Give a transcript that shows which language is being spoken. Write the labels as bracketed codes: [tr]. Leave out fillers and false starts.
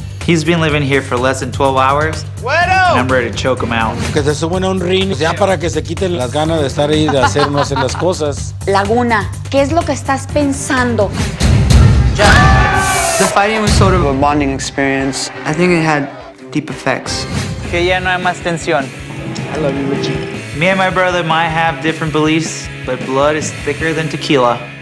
[en] He's been living here for less than 12 hours. [es] Bueno. [en] And I'm ready to choke him out. [es] Que se suben a un ring ya para que se quiten las ganas de estar ahí, de hacer no hacer las cosas. Laguna, ¿qué es lo que estás pensando? [en] The fighting was sort of a bonding experience. I think it had deep effects. [es] Que ya no hay más tensión. [en] I love you, Richie. Me and my brother might have different beliefs, but blood is thicker than tequila.